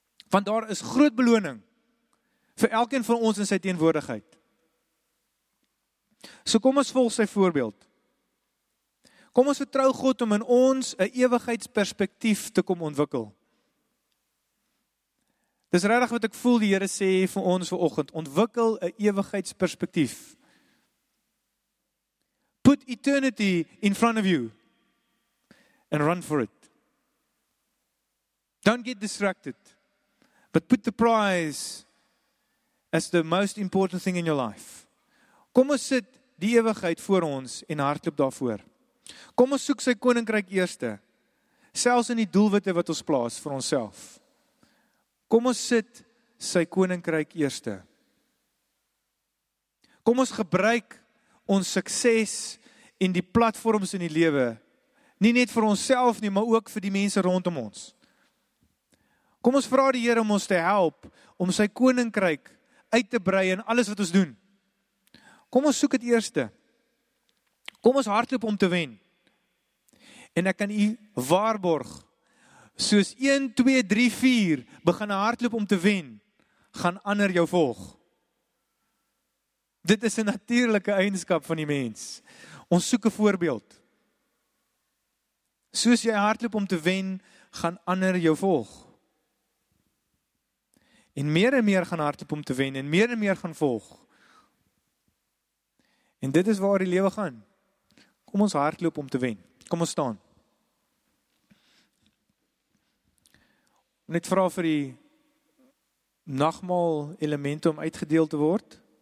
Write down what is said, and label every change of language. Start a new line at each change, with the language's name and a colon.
Afrikaans: Want daar is groot beloning, vir elkeen van ons in sy teenwoordigheid. So kom ons volg sy voorbeeld. Kom ons vertrou God om in ons, een ewigheidsperspektief te kom ontwikkel. Dis regtig wat ek voel die Here sê vir ons vanoggend, ontwikkel een ewigheidsperspektief.
English: Put eternity in front of you and run for it. Don't get distracted, but put the prize as the most important thing in your life.
Afrikaans: Kom ons sit die ewigheid voor ons en hardloop daarvoor. Kom ons soek sy koninkryk eerste, selfs in die doelwitte wat ons plaas vir onsself. Kom ons sit sy koninkryk eerste. Kom ons gebruik ons sukses in die platforms in die lewe, nie net vir onsself nie, maar ook vir die mense rondom ons. Kom ons vra die Here om ons te help, om sy koninkryk uit te brei in alles wat ons doen. Kom ons soek het eerste. Kom ons hardloop om te wen. En ek kan u waarborg, soos 1, 2, 3, 4, begin hardloop om te wen, gaan ander jou volg. Dit is 'n natuurlike eienskap van die mens. Ons soek 'n voorbeeld. Soos jy hardloop om te wen, gaan ander jou volg. En meer gaan hardloop om te wen, en meer gaan volg. En dit is waar die lewe gaan. Kom ons hardloop om te wen. Kom ons staan. Net vra vir die nagmaal elemente om uitgedeel te word.